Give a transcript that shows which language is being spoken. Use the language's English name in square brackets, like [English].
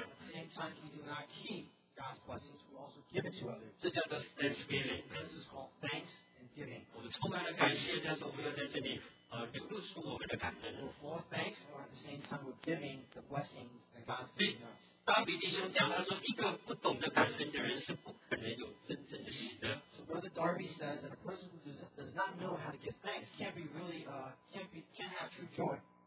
[English] At the same time, we do not keep God's blessings, we also give it to others. [Chinese] 这叫做 thanksgiving. [English] This is called thanks and giving. [Chinese] 我们充满了感谢，但是我们要在这里流露出我们的感恩。 [English] For thanks, or at the same time, we're giving the blessings that God's given us. [Chinese] 大卫弟兄讲，他说一个不懂得感恩的人是不可能有真正的喜乐。 [English] Brother Darby says that a person who does not know how to give thanks can't be really, can't have true joy.